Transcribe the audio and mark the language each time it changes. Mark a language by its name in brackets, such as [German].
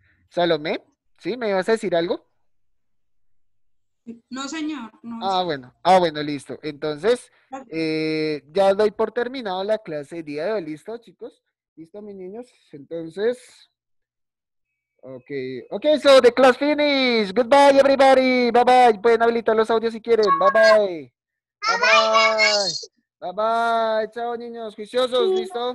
[Spanish] Salomé, ¿sí? ¿Me ibas a decir algo? No, señor. No, ah, señor. Bueno. Ah, bueno, listo. Entonces, ya doy por terminado la clase de día de hoy. ¿Listo, chicos? ¿Listo, mis niños? Entonces, [English] Okay, okay, so the class finished. Goodbye, everybody. Bye bye. [Spanish] Pueden habilitar los audios si quieren. [English] Bye bye. Bye bye. Bye bye. [Spanish] Chao, niños. Juiciosos, listo.